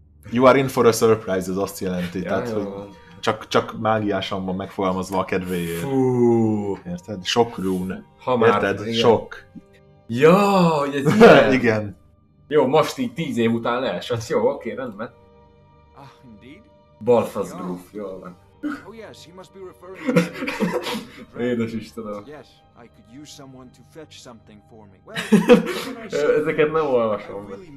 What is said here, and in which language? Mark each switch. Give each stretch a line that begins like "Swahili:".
English: You are in for a surprise,
Hungarian: ez azt jelenti, tehát, hogy csak mágiásan van megfogalmazva a kedvéért. Érted? Sok rune. Érted? Sok. Ja, hogy ez ilyen. Igen. Jó, most így 10 év után leesett. Jó, oké, rendben. Ah, indeed. Balthazar Gruff, jól van.
English: Oh yes, he must be referring to
Hungarian: édes Istenem.
English: Yes, I could use someone to fetch something for me.
Hungarian: Well, ezeket nem olvasom.